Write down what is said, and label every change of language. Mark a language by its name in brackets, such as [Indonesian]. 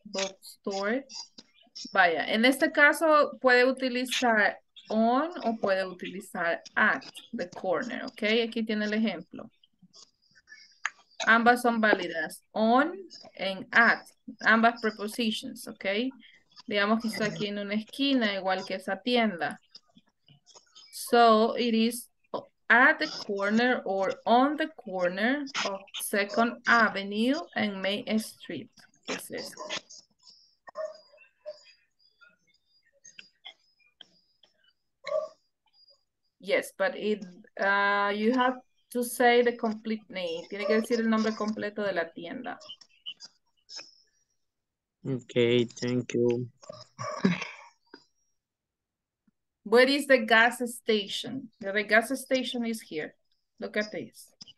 [Spanish] Bookstore. Vaya, en este caso puede utilizar on o puede utilizar at the corner. Ok, aquí tiene el ejemplo. Ambas son válidas. [English] On and at. Ambas prepositions. Ok. [Spanish] Digamos que está aquí en una esquina, igual que esa tienda. [English] So, it is at the corner or on the corner of Second Avenue and Main Street. This is. Yes, but it, you have to say the complete name. [Spanish] Tiene que decir el nombre completo de la tienda. [English] Okay, thank you. Where is the gas station? The gas station is here. Look at this.